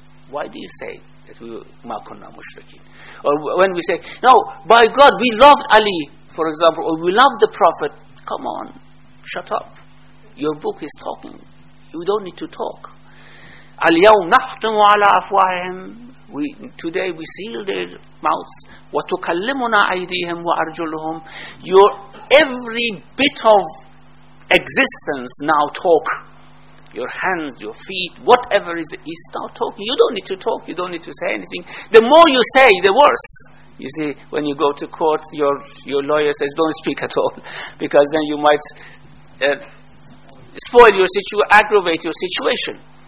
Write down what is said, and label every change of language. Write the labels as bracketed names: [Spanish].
[English] Why do you say that we were [Arabic] ma kunna mushrikeen? [English] Or when we say, no, by God, we loved Ali, for example, or we loved the Prophet. Come on, shut up. Your book is talking. You don't need to talk. [Arabic] اليوم نحتم على أفواههم. [English] Today we seal their mouths. [Arabic] وتكلمنا أيديهم وأرجلهم. [English] Your every bit of existence now talk. Your hands, your feet, whatever is, you start talking. You don't need to talk. You don't need to say anything. The more you say, the worse. You see, when you go to court, your lawyer says, "Don't speak at all," because then you might spoil your situation, aggravate your situation.